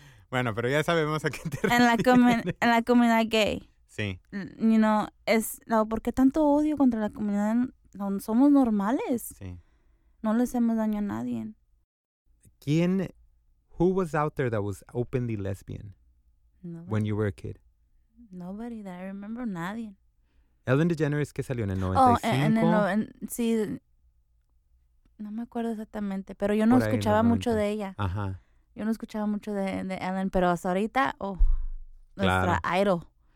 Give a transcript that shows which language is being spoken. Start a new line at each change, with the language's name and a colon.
Spanish: Bueno, pero ya sabemos a qué te refieres. En la comunidad gay. Sí.
English: You know,
Spanish: ¿por qué tanto odio contra la comunidad? No, somos normales. Sí. No le hacemos daño a nadie.
English: Who was out there that was openly lesbian? Nobody. When you were a kid. Nobody that I remember.
Spanish: Nadie. Ellen DeGeneres, ¿qué salió en el 95? Sí. No me acuerdo exactamente, pero yo no escuchaba mucho de ella. Ajá. Yo no escuchaba mucho de Ellen, pero hasta ahorita, nuestra claro.
English: Idol.